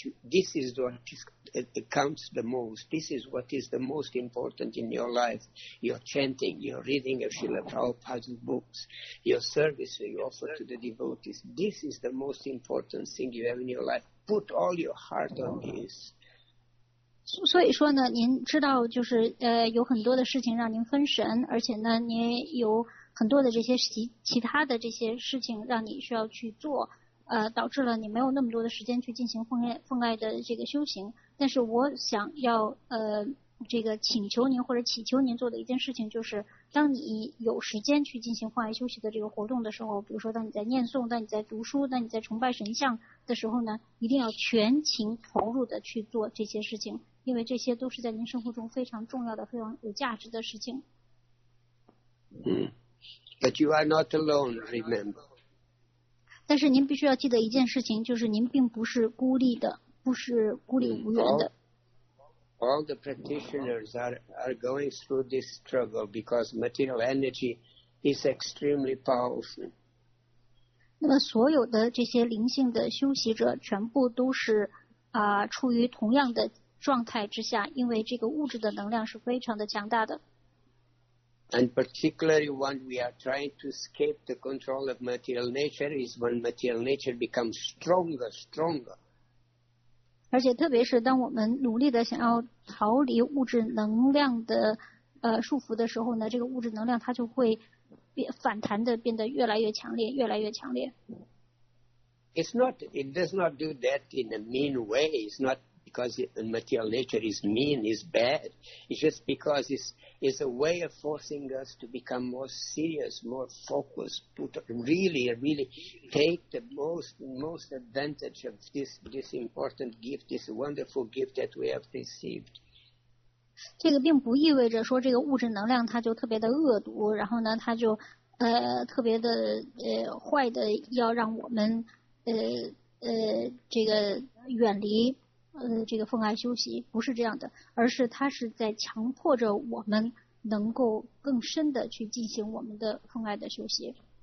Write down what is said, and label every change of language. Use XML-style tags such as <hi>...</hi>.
<en>This is what counts the most. This is what is the most important in your life. Your chanting, your reading of Srila Prabhupada's books, your service you offer to the devotees. This is the most important thing you have in your life. Put all your heart on this.</en> <zh>所以说呢，您知道就是有很多的事情让您分神，而且呢，您有很多的这些其他的这些事情让你需要去做。导致了你没有那么多的时间去进行奉爱的这个修行。但是我想要这个请求您或者祈求您做的一件事情，就是当你有时间去进行奉爱休息的这个活动的时候，比如说当你在念诵、当你在读书、当你在崇拜神像的时候呢，一定要全情投入的去做这些事情，因为这些都是在您生活中非常重要的、非常有价值的事情。</zh> <en>But you are not alone, remember.</en> <zh>但是您必须要记得一件事情，就是您并不是孤立的，不是孤立无援的。</zh> <en>All the practitioners are going through this struggle because material energy is extremely powerful.</en> <zh>那么所有的这些灵性的修习者全部都是处于同样的状态之下，因为这个物质的能量是非常的强大的。</zh> <en>And particularly when we are trying to escape the control of material nature is when material nature becomes stronger, stronger.</en> <zh>而且特别是当我们努力的想要逃离物质能量的束缚的时候呢，这个物质能量它就会反弹的变得越来越强烈，越来越强烈。</zh> <en>It does not do that in a mean way. It's not because material nature is mean, is bad. It's just because it's a way of forcing us to become more serious, more focused, put really, really take the most advantage of this important gift, this wonderful gift that we have received.</en> <zh>这个并不意味着说这个物质能量它就特别的恶毒，然后呢它就特别的坏的要让我们这个远离这个奉爱修习，不是这样的，而是它是在强迫着我们能够更深的去进行我们的奉爱的修习。</zh>